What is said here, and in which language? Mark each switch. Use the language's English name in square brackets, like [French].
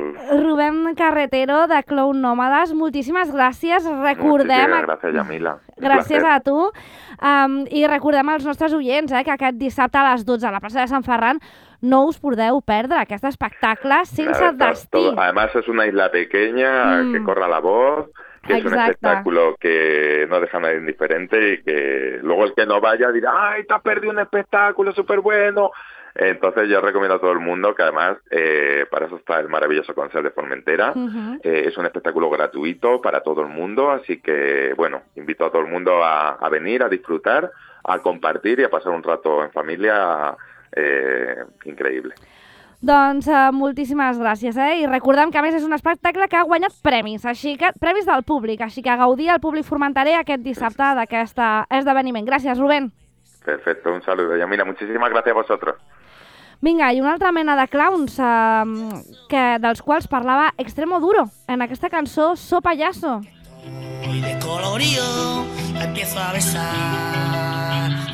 [Catalan] Rubén Carretero, de Clown Nòmades, moltíssimes gràcies. Recordem... Gràcies, Yamila. Gràcies a tu. I recordem als nostres oients que aquest dissabte a les 12 a la plaça de Sant Ferran no us podeu perdre aquest espectacle sense destí. [Spanish] Además, es una isla pequeña que corre la voz... Que [Catalan] exacte. [Spanish] Es un espectáculo que no deja a nadie indiferente y que luego el que no vaya dirá ¡ay, te has perdido un espectáculo súper bueno! Entonces yo recomiendo a todo el mundo que además para eso está el maravilloso concert de Formentera. Uh-huh. Es un espectáculo gratuito para todo el mundo, así que bueno, invito a todo el mundo a venir, a disfrutar, a compartir y a pasar un rato en familia increíble. [Catalan] Doncs moltíssimes gràcies, i recordem que a més és un espectacle que ha guanyat premis, així que premis del públic, així que gaudir el públic formenterer aquest dissabte d'aquest esdeveniment. Gràcies, Rubén. [Spanish] Perfecto, un saludo. Y mira, muchísimas gracias a vosotros. [Catalan] Vinga, i una altra mena de clowns que dels quals parlava Extremo Duro en aquesta cançó So Payaso. [Spanish] Muy de colorío empiezo a besar.